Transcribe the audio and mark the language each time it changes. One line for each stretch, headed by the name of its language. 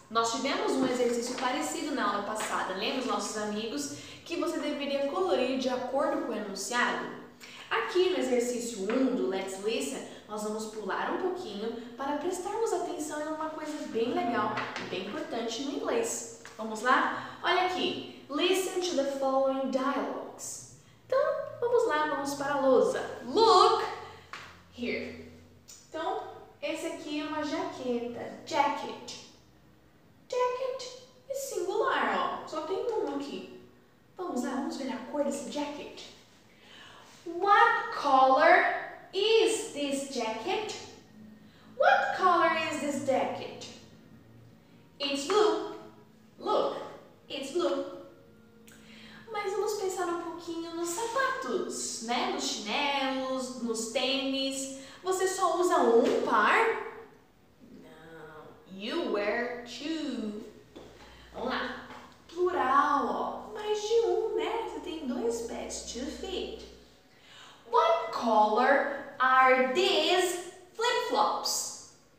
Portuguese: Nós tivemos um exercício parecido na aula passada. Lembra, nossos amigos, que você deveria colorir de acordo com o enunciado? Aqui no exercício 1 do Let's Listen, nós vamos pular um pouquinho para prestarmos atenção em uma coisa bem legal, bem importante no inglês. Vamos lá? Olha aqui.
English: Listen to the following dialogues.
Portuguese: Então, vamos lá, vamos para a lousa.
English: Look here.
Portuguese: Então, esse aqui é uma jaqueta. Jacket. Jacket é singular, ó. Só tem um aqui. Vamos lá, vamos ver a cor desse jacket.
English: What color is this jacket? What color is this jacket? It's blue. Look, it's blue.
Portuguese: Mas vamos pensar um pouquinho nos sapatos, né? Nos chinelos, nos tênis. Você só usa um par?
English: No, you wear two.
Portuguese: Vamos lá. Plural, ó. Mais de um, né? Você tem dois pés,
English: two feet. What color are these flip-flops?